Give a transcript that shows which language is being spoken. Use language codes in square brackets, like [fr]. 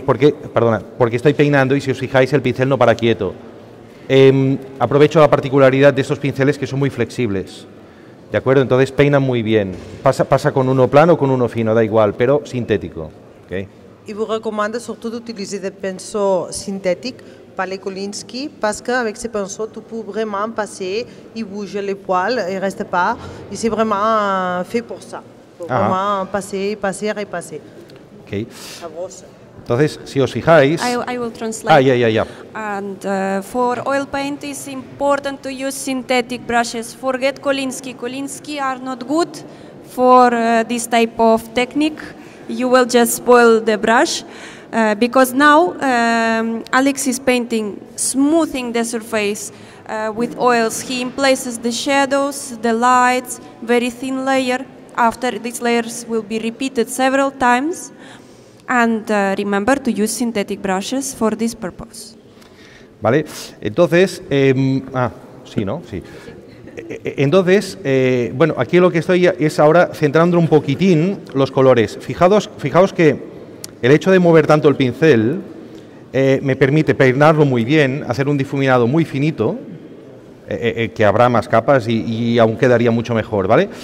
[es] Porque estoy peinando y si os fijáis el pincel no para quieto. Aprovecho la particularidad de estos pinceles que son muy flexibles. ¿De acuerdo? Entonces peinan muy bien. Pasa con uno plano o con uno fino, da igual, pero sintético. ¿Okay? Y vos recomiendas sobre todo utilizar el pincel sintético. [fr] Parler Kolinsky, parce qu'avec ces pinceaux, tu peux vraiment passer, ils bougent les poils, ils ne restent pas, et c'est vraiment fait pour ça, pour vraiment passer, passer, repasser. [es] Ok. Entonces, si os fijáis... [en] I will translate. And for oil paint, it's important to use synthetic brushes. Forget Kolinsky. Kolinsky are not good for this type of technique. You will just spoil the brush. Because now Alex is painting, smoothing the surface with oils. He places the shadows, the lights, very thin layer. After these layers will be repeated several times. And remember to use synthetic brushes for this purpose. [es] Vale, entonces, sí, ¿no? Sí. Entonces, bueno, aquí lo que estoy es ahora centrando un poquitín los colores. Fijaos que... El hecho de mover tanto el pincel me permite peinarlo muy bien, hacer un difuminado muy finito, que habrá más capas y aún quedaría mucho mejor, ¿vale?